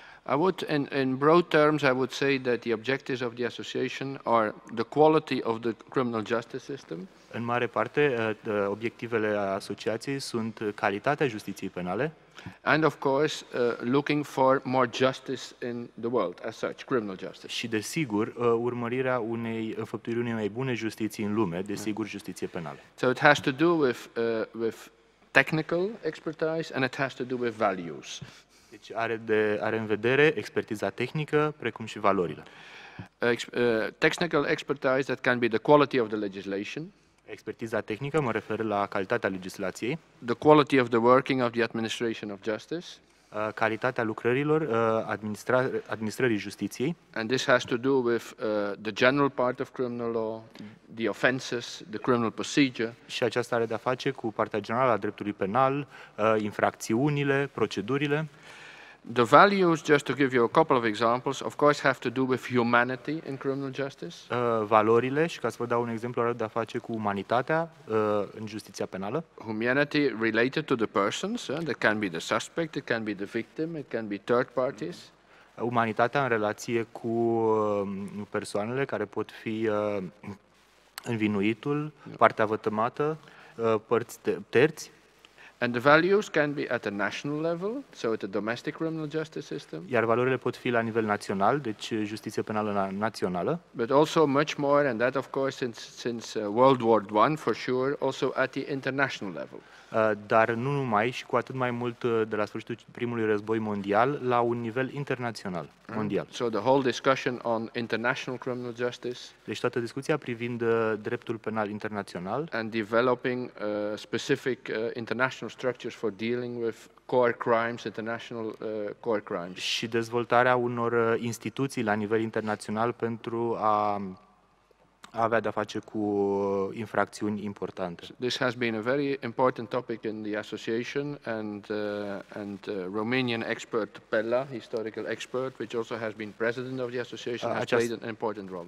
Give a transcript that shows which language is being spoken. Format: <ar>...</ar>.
<en>I would, in broad terms, I would say that the objectives of the association are the quality of the criminal justice system.</en> <ro>În mare parte, obiectivele asociației sunt calitatea justiției penale.</ro> <en>And of course, looking for more justice in the world as such, criminal justice.</en> <ro>Și desigur, urmărirea unei înfăptuiri unei mai bune justiții în lume, desigur, justiție penală.</ro> <en>So it has to do with technical expertise and it has to do with values.</en> <ro>Deci are în vedere expertiza tehnică, precum și valorile.</ro> <en>Technical expertise that can be the quality of the legislation.</en> <ro>Expertiza tehnică mă refer la calitatea legislației.</ro> <en>The quality of the working of the administration of justice.</en> <ro>Calitatea lucrărilor administrării justiției.</ro> <en>And this has to do with the general part of criminal law, the offences, the criminal procedure.</en> <ro>Și aceasta are de-a face cu partea generală a dreptului penal, infracțiunile, procedurile.</ro> <en>The values, just to give you a couple of examples, of course have to do with humanity in criminal justice.</en> <ro>Valorile, și ca să vă dau un exemplu, are de-a face cu umanitatea în justiția penală.</ro> <en>Humanity related to the persons, that can be the suspect, it can be the victim, it can be third parties.</en> <ro>Umanitatea în relație cu persoanele care pot fi învinuitul, partea vătămată, părți terți.</ro> <en>And the values can be at a national level, so at a domestic criminal justice system.</en> <ro>Iar valorile pot fi la nivel național, deci justiție penală națională.</ro> <en>But also much more, and that of course since World War I for sure, also at the international level.</en> <ro>Dar nu numai, și cu atât mai mult de la sfârșitul primului război mondial, la un nivel internațional, mondial.</ro> <en>So the whole discussion on international criminal justice.</en> <ro>Deci toată discuția privind dreptul penal internațional.</ro> <en>And developing specific international structures for dealing with core crimes, international core crimes.</en> <ro>Și dezvoltarea unor instituții la nivel internațional pentru a avea de-a face cu infracțiuni importante.</ro> <en>This has been a very important topic in the association and Romanian expert Pella, historical expert, which also has been president of the association, has played an important role in</en>